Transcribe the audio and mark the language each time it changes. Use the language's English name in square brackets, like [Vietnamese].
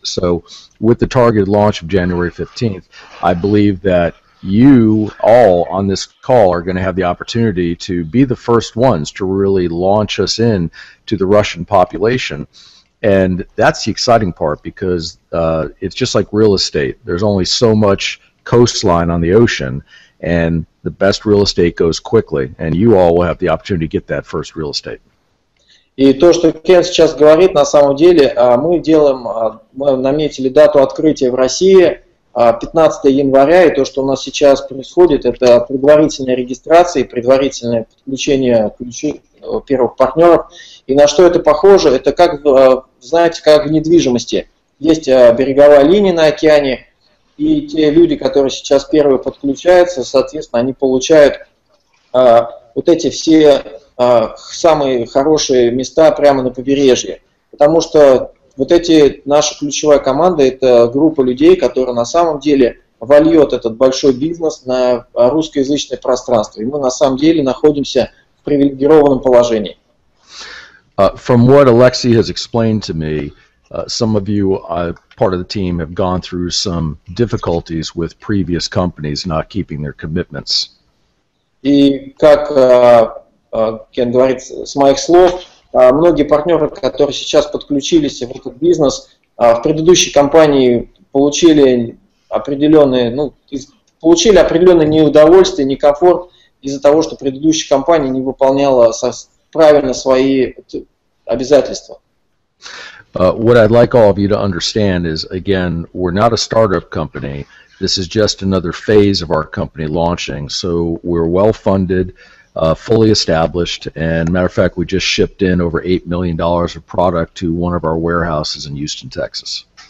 [English] So with the targeted launch of January 15th, I believe that you all on this call are going to have the opportunity to be the first ones to really launch us in to the Russian population. And that's the exciting part because it's just like real estate. There's only so much coastline on the ocean, and the best real estate goes quickly. And you all will have the opportunity to get that first real estate. [Russian] И то, что Кен сейчас говорит, на самом деле, мы наметили дату открытия в России – 15 января, и то, что у нас сейчас происходит, это предварительная регистрация и предварительное подключение первых партнеров. И на что это похоже? Это как, знаете, как в недвижимости. Есть береговая линия на океане, и те люди, которые сейчас первые подключаются, соответственно, они получают вот эти все самые хорошие места прямо на побережье. Потому что вот эти, наша ключевая команда, это группа людей, которая на самом деле вольет этот большой бизнес на русскоязычное пространство. И мы на самом деле находимся в привилегированном положении. [English] From what Alexei has explained to me, some of you, part of the team, have gone through some difficulties with previous companies not keeping their commitments. [Russian] И как Кен говорит, с моих слов, многие партнеры, которые сейчас подключились в этот бизнес, в предыдущей компании получили определенные, ну, получили определенное неудовольствие, некомфорт из-за того, что предыдущая компания не выполняла правильно свои обязательства. [English] What I'd like all of you to understand is, again, we're not a startup company. This is just another phase of our company launching. So we're well-funded, fully established, and matter of fact, we just shipped in over $8 million of product to one of our warehouses in Houston, Texas.